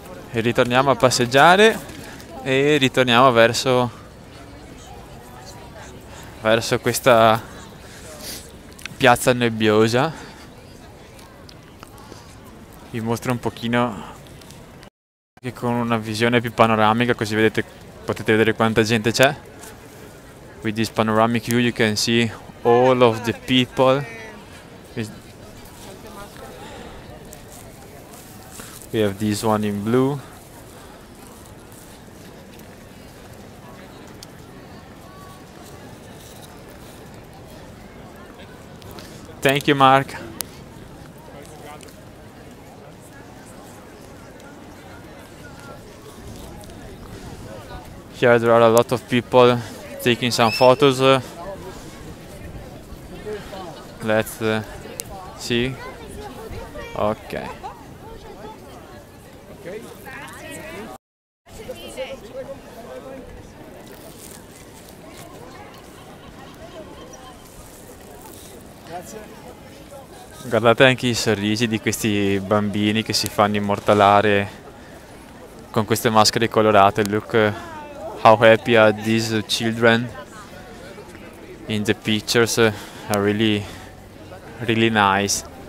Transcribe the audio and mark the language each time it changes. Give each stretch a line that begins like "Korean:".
Italian: E ritorniamo a passeggiare e ritorniamo verso questa piazza nebbiosa. Vi mostro un pochino anche con una visione più panoramica, così vedete, potete vedere quanta gente c'è.
English: With this panoramic view you can see all of the people. We have this one in blue. Thank you, Mark. Here there are a lot of people taking some photos. Let's see. Okay.
Italian: Guardate anche i sorrisi di questi bambini che si fanno immortalare con queste maschere colorate.
English: Look how happy are these children in the pictures. Are really, really nice.